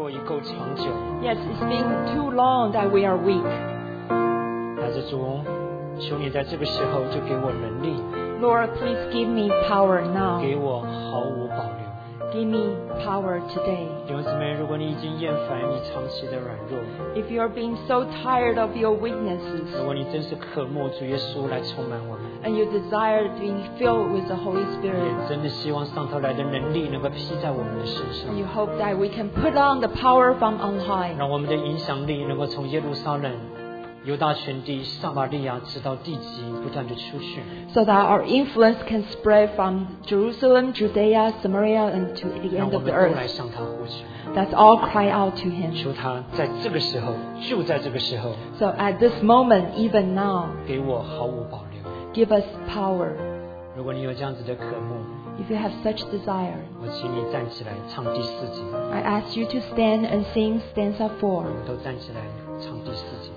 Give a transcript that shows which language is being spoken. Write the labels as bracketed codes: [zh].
[en] Yes, it's been too long that we are weak. [zh] 但是主，求你在这个时候就给我能力。 [en] Lord, please give me power now. [zh] 给我毫无保留。 [en] Give me power today. [zh] 弟兄姊妹，如果你已经厌烦你长期的软弱。 [en] If you are being so tired of your weaknesses. [zh] 如果你真是渴慕主耶稣来充满我们。 [en] And you desire being filled with the Holy Spirit. [zh] 也真的希望上头来的能力能够披在我们的身上。 [en] And you hope that we can put on the power from on high. [zh] 让我们的影响力能够从耶路撒冷、犹大全地、撒玛利亚直到地极不断地出去。 [en] So that our influence can spread from Jerusalem, Judea, Samaria, and to the end of the earth. [zh] 让我们都来向他呼求。 [en] Let's all cry out to Him. [zh] 求他在这个时候，就在这个时候。 [en] So at this moment, even now. [zh] 给我毫无保留。 [en] Give us power. [zh] 如果你有这样子的渴慕, [en] if you have such desire, [zh] 我请你站起来唱第四节。 [en] I ask you to stand and sing stanza 4. [zh] 我们都站起来唱第四节。